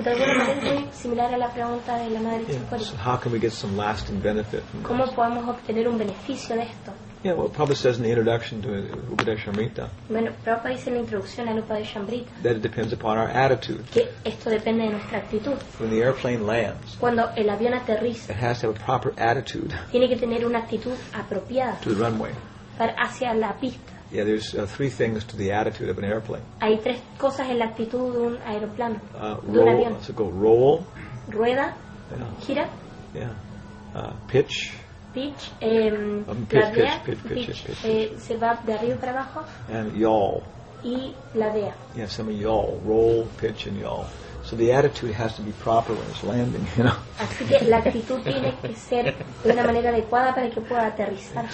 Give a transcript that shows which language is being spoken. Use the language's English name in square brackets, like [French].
[English] How can we get some lasting benefit from [Spanish] ¿cómo [English] this? [Spanish] Podemos obtener un beneficio de esto? [English] Yeah, well, Prabhupada says in the introduction to Upadeshamrita. [Spanish] Bueno, Prabhupada dice en la introducción al Upadeshamrita. [English] That it depends upon our attitude. [Spanish] Que esto depende de nuestra actitud. [English] When the airplane lands. [Spanish] Cuando el avión aterriza. [English] It has to have a proper attitude. [Spanish] Tiene que tener una actitud apropiada. [English] To the runway. [Spanish] Para hacia la pista. [English] Yeah, there's three things to the attitude of an airplane. [Spanish] Hay tres cosas en la actitud de un aeroplano. [English] So go roll. [Spanish] Rueda. [English] Yeah. [Spanish] Gira. [English] Yeah. Pitch. Pitch, pitch, [Spanish] se va de arriba para abajo. [English] And yaw. [Spanish] Y la dea. [English] Yeah, some yaw, roll, pitch, and yaw. So the attitude has to be proper when it's landing, you know. [Spanish] Así que la actitud tiene que ser de una manera adecuada para que pueda aterrizar.